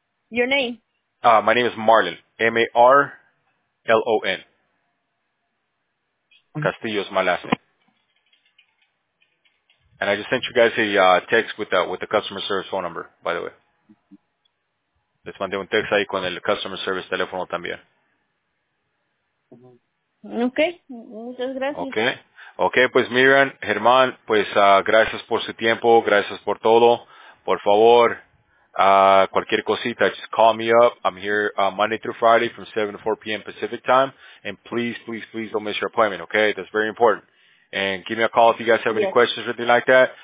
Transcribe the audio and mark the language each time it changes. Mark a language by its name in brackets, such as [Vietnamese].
[English] Your name. My name is Marlon. Marlon. Mm-hmm. Castillo is my last name. And I just sent you guys a text with the customer service phone number, by the way. [Spanish] Les mandé un text ahí con el customer service teléfono también. Okay, muchas gracias. Okay, pues Miriam, Germán, pues gracias por su tiempo, gracias por todo. Por favor, cualquier cosita, [English] just call me up. I'm here Monday through Friday from 7 to 4 p.m. Pacific time. And please, please, please don't miss your appointment, okay? That's very important. And give me a call if you guys have any questions or anything like that.